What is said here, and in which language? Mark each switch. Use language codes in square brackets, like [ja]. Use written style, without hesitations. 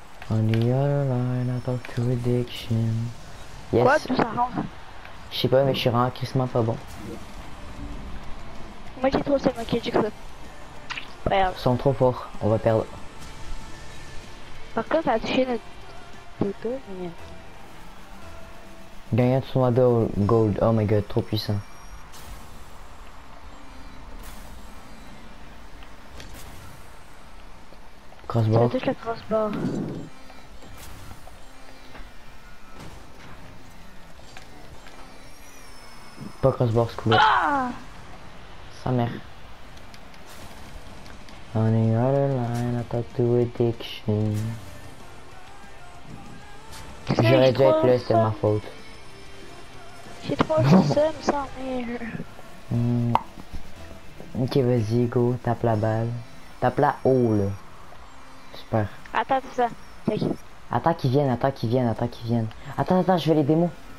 [en] On the other line, I talk to addiction. Yes. [fr] Quoi, tout ça rentre? Je sais pas, mais je suis vraiment crissement pas bon. Moi, j'ai trop seul, ok, du coup. Ils sont trop forts, on va perdre. Par contre, t'as touché notre... Gagne un tournoi de gold, [en] oh my god, [fr] trop puissant. [en] Crossbar. [fr] Ça touche la crossbar. Pas crossbar, ce coup-là. Ah sa mère. [en] On the other line, I talk to addiction. [fr] J'aurais dû être là, c'était ma faute. J'ai trop le seum, ça merde. Ok, vas-y, go, tape la balle. Tape la haut, là. Super. Attends, ça. [en] Okay. [fr] Attends qu'ils viennent. Attends, je vais les démos.